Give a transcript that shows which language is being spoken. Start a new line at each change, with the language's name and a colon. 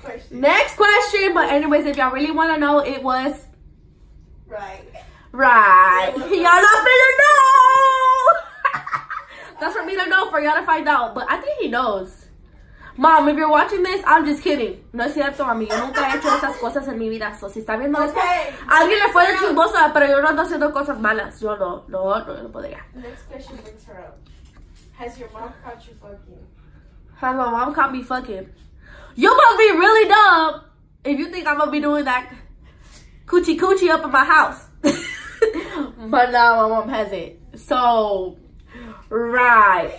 English: Next question, but anyways, if y'all really want to know, it was right. Y'all not finna know. That's for me to know, for y'all to find out. But I think he knows. Mom, if you're watching this, I'm just kidding.
Spanish: No es cierto, mami. Yo nunca he hecho esas cosas en mi vida. So si está viendo esto, alguien le fue de chismosa, pero yo no ando haciendo cosas malas. Yo no, no, no, no podría.
English: Next question brings her up. Has your mom caught you fucking? Has my mom caught me fucking? You must be really dumb if you think I'm gonna be doing that coochie coochie up in my house. But no, my mom has it. So, right.